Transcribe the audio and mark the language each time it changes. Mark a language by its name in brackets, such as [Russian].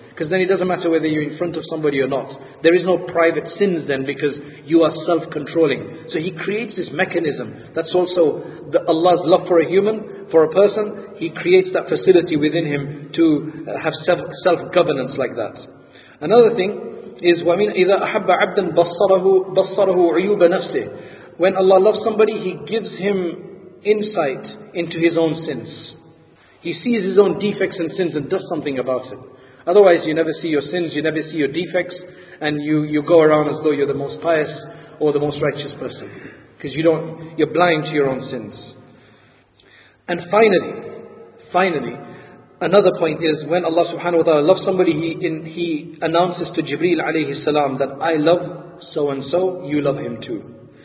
[English] Because then it doesn't matter whether you're in front of somebody or not. There is no private sins then, because you are self-controlling. So He creates this mechanism. That's also Allah's love for a human, for a person. He creates that facility within him to have self-governance like that. Another thing is, [Arabic] وَمِنْ إِذَا أَحَبَّ عَبْدًا بَصَّرَهُ عُيُوبَ نَفْسِهِ. [English] When Allah loves somebody, He gives him insight into his own sins. He sees his own defects and sins and does something about it. Otherwise, you never see your sins, you never see your defects, and you go around as though you're the most pious or the most righteous person. Because you're blind to your own sins. And finally, another point is when Allah subhanahu wa ta'ala loves somebody, he announces to Jibreel alayhi salam that I love so and so, you love him too.